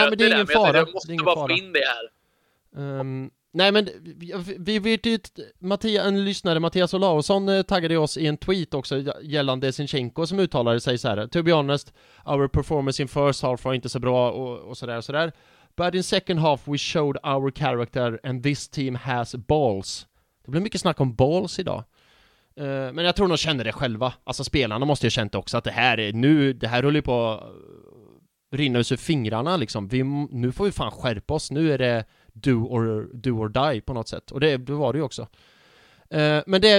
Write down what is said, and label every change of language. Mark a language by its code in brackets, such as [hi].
[sv] Nej, men det är ingen fara. Jag måste bara få in det här. Nej, men vi vet ju en lyssnare, Mattias Olausson, taggade oss i en tweet också gällande Zinchenko som uttalade sig så här: [en] to be honest, our performance in first half [sv] var inte så bra och sådär och sådär. [en] But in second half we showed our character and this team has balls. [sv] Det blir mycket snack om balls idag. Men jag tror de känner det själva. Alltså spelarna måste ju ha känt också att det här är nu, det här håller ju på att rinna ur fingrarna liksom. Nu får vi fan skärpa oss. Nu är det [en] do or die [sv] på något sätt. Och det var det ju också. Men det